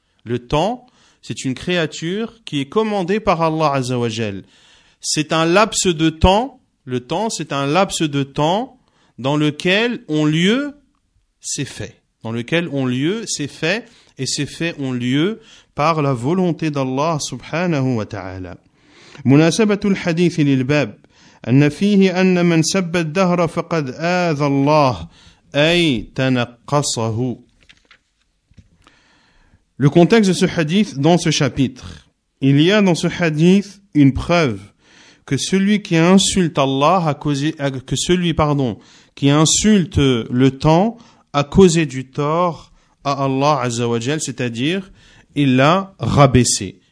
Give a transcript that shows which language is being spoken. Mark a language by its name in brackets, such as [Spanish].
[French] Le temps, c'est une créature qui est commandée par Allah azza wa jal. C'est un laps de temps, le temps c'est un laps de temps dans lequel ont lieu ces faits. Dans lequel ont lieu ces faits et ces faits ont lieu par la volonté d'Allah subhanahu wa ta'ala. [Arabic] مناسبة الحديث للباب أن فيه أن من سب الدهر فقد آذى الله أي تنقصه. [French] Le contexte de ce hadith dans ce chapitre. Il y a dans ce hadith une preuve que celui qui insulte Allah a causé, que celui, pardon, qui insulte le temps a causé du tort à Allah azza wa jal, c'est-à-dire il l'a rabaissé.